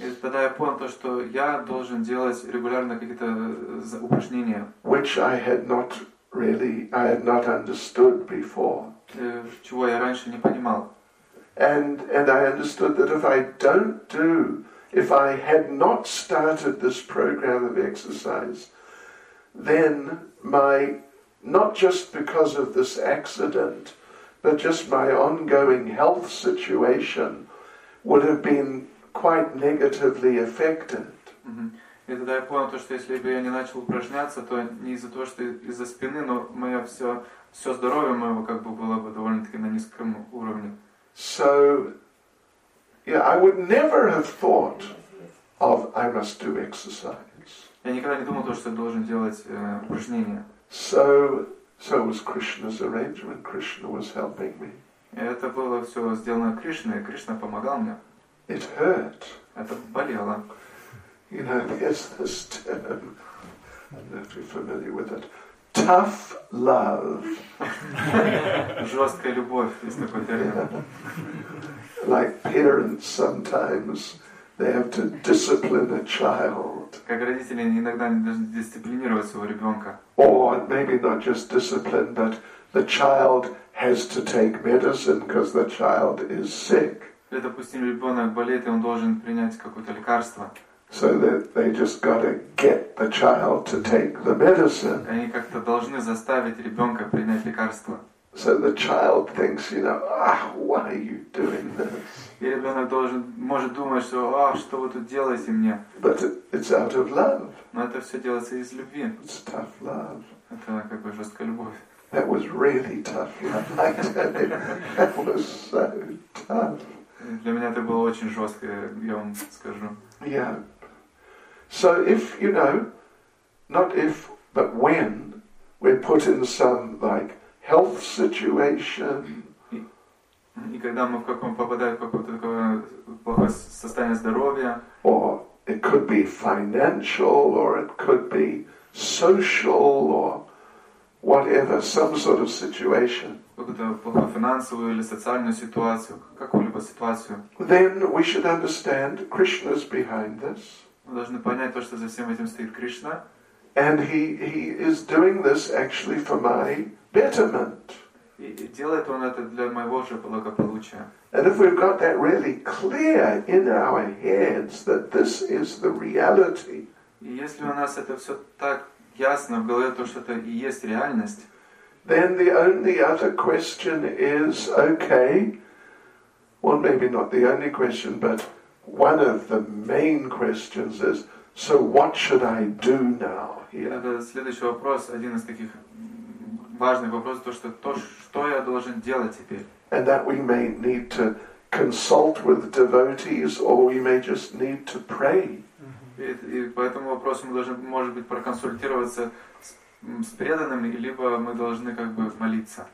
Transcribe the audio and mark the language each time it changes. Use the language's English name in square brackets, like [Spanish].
[Russian] И тогда я понял то, что я должен делать регулярно какие-то упражнения. [English] Which I had not understood before. [Russian] Чего я раньше не понимал. [English] And I understood that if I had not started this program of exercise, then my, not just because of this accident, but just my ongoing health situation would have been quite negatively affected. Mm-hmm. [Russian] И тогда я понял то, что если бы я не начал упражняться, то не из-за того, что из-за спины, но мое все здоровье моего как бы было бы довольно-таки на низком уровне. [English] So, yeah, I would never have thought of I must do exercise. [Russian] Я никогда не думал то, что я должен делать упражнения. [English] So was Krishna's arrangement. Krishna was helping me. [Russian] Это было все сделано Кришной. Кришна помогал мне. [English] It hurt. [Russian] Это болело. [English] You know, there's this term. I don't know if you're familiar with it. Tough love. [Russian] Жесткая любовь есть такой термин. [English] Like parents sometimes they have to discipline a child. [Russian] Как родители иногда они должны дисциплинировать своего ребенка. [English] Or maybe not just discipline, but the child has to take medicine because the child is sick. [Russian] Или, допустим, ребенок болеет, и он должен принять какое-то лекарство. [English] So that they just gotta get the child to take the medicine. [Russian] Они как-то должны заставить ребенка принять лекарство. [English] So the child thinks, you know, ah, why are you doing this? [Russian] И ребенок должен, может думать, что, ах, что вы тут делаете мне? [English] But it's out of love. [Russian] Но это все делается из любви. [English] It's tough love. [Russian] Это как бы жесткая любовь. [English] That was really tough love. I tell you, that was so tough. [Russian] Для меня это было очень жестко, я вам скажу. [English] Yeah. So if, you know, not if, but when we're put in some, like, health situation. [Russian] И когда мы в каком-то попадаем в какое-то такое плохое состояние здоровья. [English] Or it could be financial, or it could be social, or whatever, some sort of situation. [Russian] Какую-то плохую финансовую или социальную ситуацию, какую-либо ситуацию. [English] Then we should understand Krishna's behind this. [Russian] Мы должны понять то, что за всем этим стоит Кришна. [English] And he is doing this actually for my betterment. [Russian] И делает он это для моего же благополучия. [English] And if we've got that really clear in our heads that this is the reality. [Russian] И если у нас это все так ясно в голове, то что это и есть реальность. [English] Then the only other question is, okay, well, maybe not the only question, but one of the main questions is, so what should I do now? [Russian] Это следующий вопрос, один из таких важный вопрос, то что то, что я должен делать теперь. [English] And that we may need to consult with devotees, or we may just need to pray. [Russian] И по этому вопросу мы должны, может быть, проконсультироваться с преданными, либо мы должны как бы молиться.